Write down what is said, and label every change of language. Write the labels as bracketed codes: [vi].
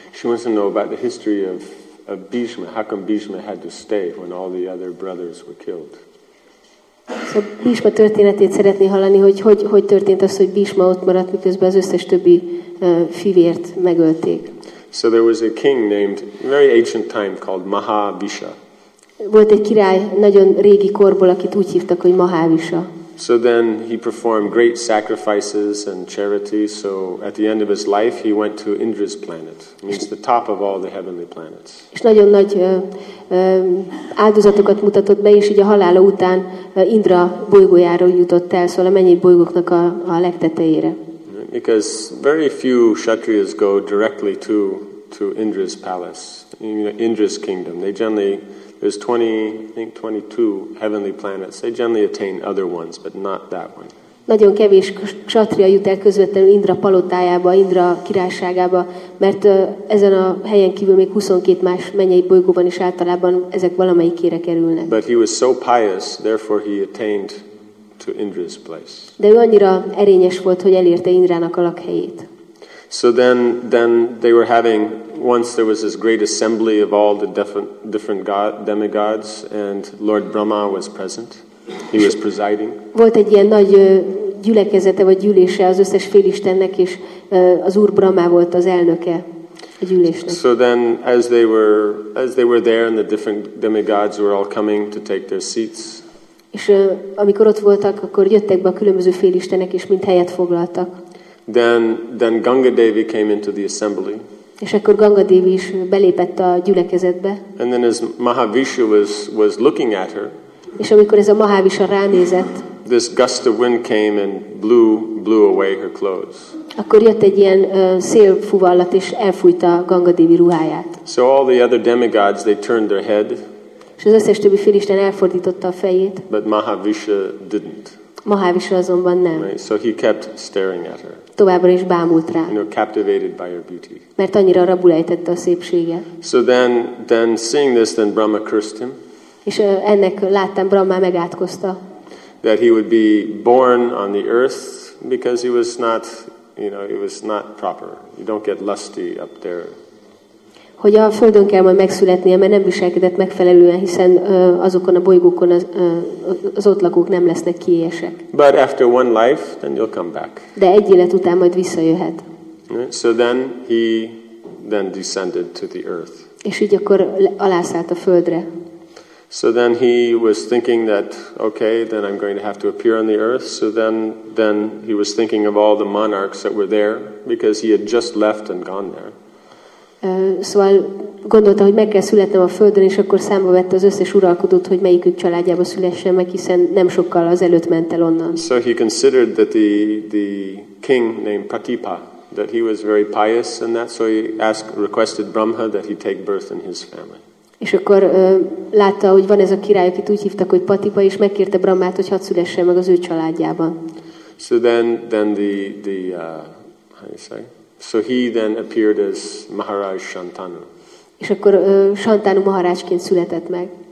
[en] She wants to know about the history of Bhishma. How come Bhishma had to stay when all the other brothers were killed? [hu] So Bhishma történetét szeretné hallani, hogy történt az, hogy Bhishma ott maradt, miközben az összes többi fivért megölték. [en] So there was a king named very ancient time called Mahavisha. [hu] Volt egy király nagyon régi korból, akit úgy hívtak, hogy Mahavisha. [en] So then he performed great sacrifices and charity. So at the end of his life, he went to Indra's planet, means the top of all the heavenly planets. [hu] És nagyon nagy áldozatokat mutatott be, és így a halála után Indra bolygójáról jutott el, szóval a mennyi bolygóknak a legtetejére. [en] Because very few Kshatriyas go directly to Indra's palace, Indra's kingdom. They generally, there's 22 heavenly planets. They generally attain other ones, but not that one. [hu] Nagyon kevés Kshatriya jut el közvetlenül Indra palotájába, Indra királyságába, mert ezen a helyen kívül még 22 más mennyei bolygóban is általában ezek valamelyikére kerülnek. [en] But he was so pious, therefore he attained to Indra's place. [hu] De ő annyira erényes volt, hogy elérte Indrának a lakhelyét. [en] So then they were having, once there was this great assembly of all the different demigods, and Lord Brahma was present. He was presiding. [hu] Volt egy ilyen nagy gyülekezete vagy gyűlése az összes félistennek, és az Úr Brahma volt az elnöke a gyűlésnek. [en] So then as they were there and the different demigods were all coming to take their seats. [hu] És amikor ott voltak, akkor jöttek be a különböző félistenek, és mind helyet foglaltak. [en] Then Ganga Devi came into the assembly. [hu] És akkor Ganga Devi is belépett a gyülekezetbe. [en] And then as Mahavishu was looking at her. [hu] És amikor ez a Mahavishu ránézett. [en] This gust of wind came and blew away her clothes. [hu] Akkor jött egy ilyen szélfuvallat és elfújta Ganga Devi ruháját. [en] So all the other demigods, they turned their head. [hu] És az összes többi félisten elfordította a fejét. [en] But Mahavishu didn't. [hu] Mahavishu azonban nem. [en] Right, so he kept staring at her. [hu] Továbbra is bámult rá. [en] You know, captivated by her beauty. [hu] Mert annyira rabul ejtette a szépsége. [en] So then seeing this, then Brahma cursed him. [hu] És ennek láttam, Brahma megátkozta. [en] That he would be born on the earth because he was not, you know, it was not proper. You don't get lusty up there. [hu] Hogy a földön kell majd megszületnie, mert nem viselkedett megfelelően, hiszen azokon a bolygókon az ott lakók nem lesznek kiélyesek. [en] But after one life, then you'll come back. [hu] De egy élet után majd visszajöhet. [en] So then he then descended to the earth. [hu] És így akkor alászállt a földre. [en] So then he was thinking that, okay, then I'm going to have to appear on the earth. So then he was thinking of all the monarchs that were there, because he had just left and gone there. [hu] Szóval gondolta, hogy meg kell születnem a földön, és akkor számba vette az összes uralkodót, hogy melyikük családjába szülessen meg, hiszen nem sokkal azelőtt ment el onnan. [en] So he considered that the king named Pratipa, that he was very pious, and that, so he requested Brahma that he take birth in his family. [hu] És akkor látta, hogy van ez a király, akit úgy hívtak, hogy Pratipa, és megkérte Brahmát, hogy hadd szülessen meg az ő családjában. [en] So then how do you say? So he then appeared as Maharaj Shantanu. [hu] És akkor Shantanu Maharajként született meg.